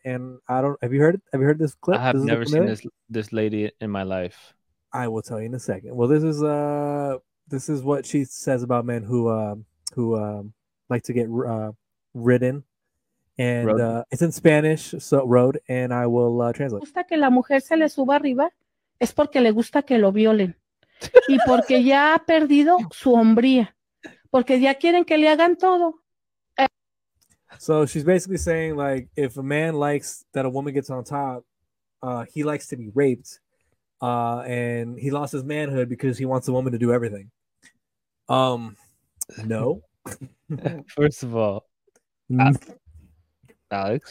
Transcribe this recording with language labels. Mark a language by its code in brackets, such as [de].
[en] And I don't, have you heard this clip? I have never seen this lady in my life. I will tell you in a second. Well, this is what she says about men who like to get ridden. And it's in Spanish, so road, and I will translate. [es] Gusta que la mujer se le suba arriba es porque le gusta que lo violen y porque ya ha perdido su hombría. Porque ya quieren que le hagan todo. [en] So she's basically saying, like, if a man likes that a woman gets on top, he likes to be raped, and he lost his manhood because he wants a woman to do everything. No. First of all, Alex.